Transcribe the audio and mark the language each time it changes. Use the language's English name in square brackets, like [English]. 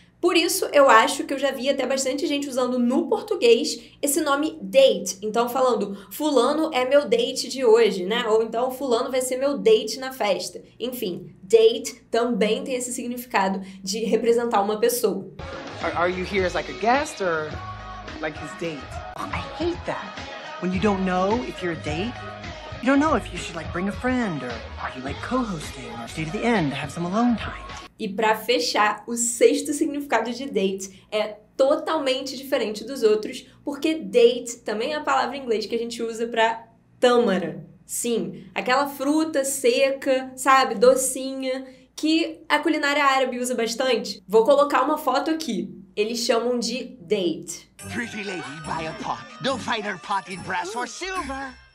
[Portuguese] Por isso eu acho que eu já vi até bastante gente usando no português esse nome date, então falando fulano é meu date de hoje, né? Ou então fulano vai ser meu date na festa. Enfim, date também tem esse significado de representar uma pessoa. [English] Are you here as like a guest or like his date? I hate that. When you don't know if you're a date, you don't know if you should like bring a friend or are you like co-hosting or stay to the end to have some alone time. [Portuguese] E para fechar, o sexto significado de date é totalmente diferente dos outros, porque date também é a palavra em inglês que a gente usa para tâmara. Sim, aquela fruta seca, sabe, docinha, que a culinária árabe usa bastante. Vou colocar uma foto aqui. Eles chamam de date. [English] Pretty lady, buy a pot. Don't find her pot in brass or silver.